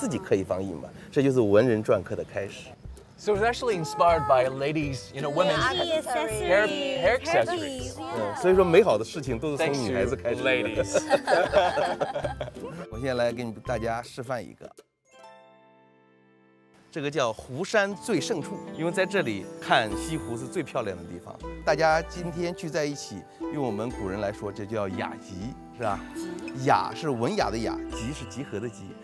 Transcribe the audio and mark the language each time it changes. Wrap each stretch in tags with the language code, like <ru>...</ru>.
<zh>它的印章的发展其实，在广泛的过程中，我们知道，从比方说我们是做生意的，到后来官方机构的印章，到个人的印信，真正的文人篆刻的开始是从宋元开始的，因为有了石头，当时在元代的时候，有一个叫王冕的，然后他看到了一个挑货郎担子的，就卖给女孩子发簪，上面用的叮叮咚咚的玉石，对，就是我们青田的青田石，对，他自己用刀刻了一下，哎，这个刻得动，那他是想，哎呦，要我自己给自己刻一方印吧，这就是文人篆刻的开始。</zh> <en>So it's actually inspired by ladies, you know, women's hair accessories.</en> <zh>所以说，美好的事情都是从女孩子开始的。我先来给你大家示范一个，这个叫湖山最胜处，因为在这里看西湖是最漂亮的地方。大家今天聚在一起，用我们古人来说，这叫雅集，是吧？雅是文雅的雅，集是集合的集。</zh>